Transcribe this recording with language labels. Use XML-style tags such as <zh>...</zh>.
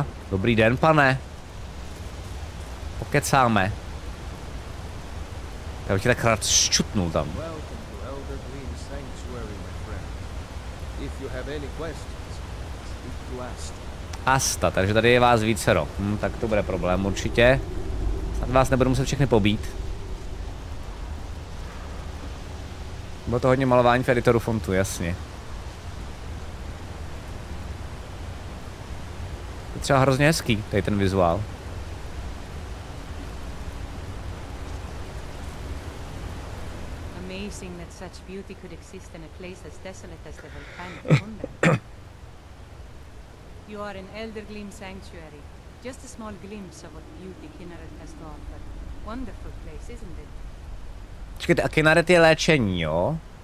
<cs>Dobrý den, pane. Pokecáme. Já bych tě tak rád ščutnul tam.</cs> <en>If you have any questions, speak to Asta.</en> <cs>Asta, takže tady je vás vícero. Tak to bude problém určitě. Snad vás nebudu muset všechny pobít. Bylo to hodně malování v editoru fontu, jasně. Je třeba hrozně hezký, tady ten vizuál.</cs> <en>Amazing that such beauty could exist in a place as desolate as the volcanic wonder. You are an Elder Gleam sanctuary. Just a small glimpse of what beauty Kinaret has to offer. Wonderful place, isn't it?</en> <cs>Čekajte, a Kinaret je léčení, jo?</cs>